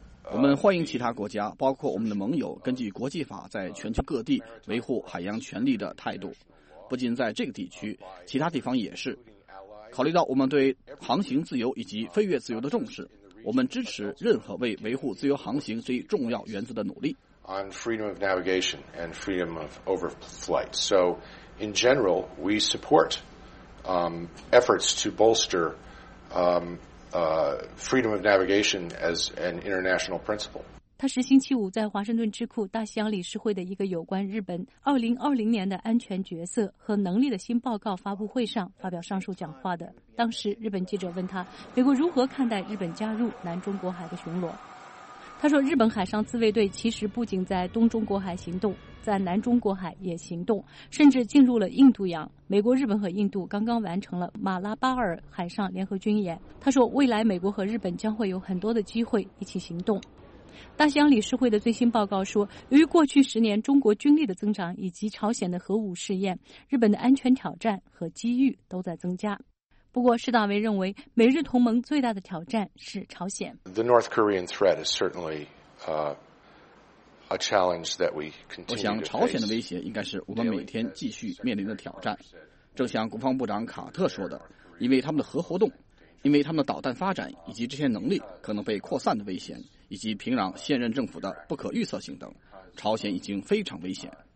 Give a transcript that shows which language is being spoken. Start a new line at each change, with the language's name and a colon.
Chinese: 我们欢迎其他国家，包括我们的盟友，根据国际法在全球各地维护海洋权利的态度，不仅在这个地区，其他地方也是。考虑到我们对航行自由以及飞越自由的重视，我们支持任何为维护自由航行这一重要原则的努力。
English: On freedom of navigation and freedom of overflight. So, in general, we support efforts to bolster freedom of navigation as an international principle.
Chinese: 他是星期五在华盛顿智库大西洋理事会的一个有关日本2020年的安全角色和能力的新报告发布会上发表上述讲话的。当时，日本记者问他，美国如何看待日本加入南中国海的巡逻？他说，日本海上自卫队其实不仅在东中国海行动，在南中国海也行动，甚至进入了印度洋。美国、日本和印度刚刚完成了马拉巴尔海上联合军演。他说，未来美国和日本将会有很多的机会一起行动。大西洋理事会的最新报告说，由于过去十年中国军力的增长以及朝鲜的核武试验，日本的安全挑战和机遇都在增加。不过，施大为认为，美日同盟最大的挑战是朝鲜。
English: The North Korean threat is certainly a challenge that we continue to face.
Chinese: 我想，朝鲜的威胁应该是我们每天继续面临的挑战。正像国防部长卡特说的，因为他们的核活动，因为他们的导弹发展以及这些能力可能被扩散的危险，以及平壤现任政府的不可预测性等，朝鲜已经非常危险。